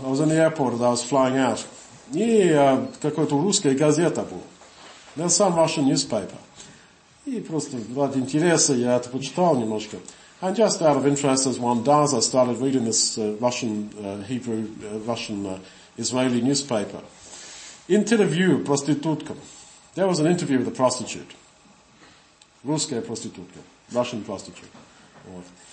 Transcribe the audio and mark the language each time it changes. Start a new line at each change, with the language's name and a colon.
English: I was in the airport, I was flying out.
Russian: И какая-то русская газета была.
English: Now some Russian newspaper.
Russian: И просто ради интереса я это почитал немножко.
English: And just out of interest, as one does, I started reading this Russian-Israeli newspaper. Interview проститутка. There was an interview with a prostitute.
Russian: Русская проститутка.
English: Russian prostitute. Вот.